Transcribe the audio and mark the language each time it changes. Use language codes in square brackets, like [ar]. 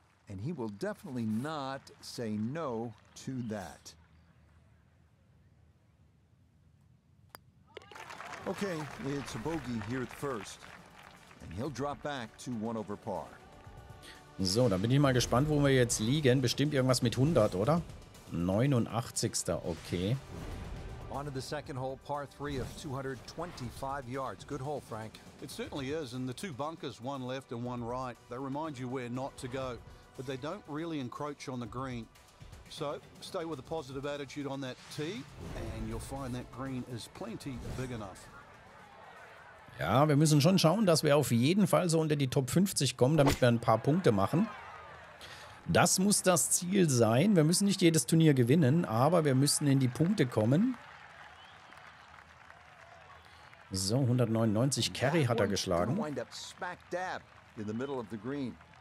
[en] And he will definitely not say no to that. Okay, it's a bogey here at first. And he'll drop back to one over par. [de] So, dann bin ich mal gespannt, wo wir jetzt liegen. Bestimmt irgendwas mit 100, oder? 89. Okay. [en] On to the second hole, par 3 of 225 yards. Good hole, Frank. It certainly is, and the two bunkers, one left and one right, they remind you where not to go. But they don't really encroach on the green. So stay with a positive attitude on that tee and you'll find that green is plenty big enough. [de] Ja, wir müssen schon schauen, dass wir auf jeden Fall so unter die Top 50 kommen, damit wir ein paar Punkte machen. Das muss das Ziel sein. Wir müssen nicht jedes Turnier gewinnen, aber wir müssen in die Punkte kommen. So, 199 Carry hat er geschlagen. [en] Wind up smack dab in the middle of the green.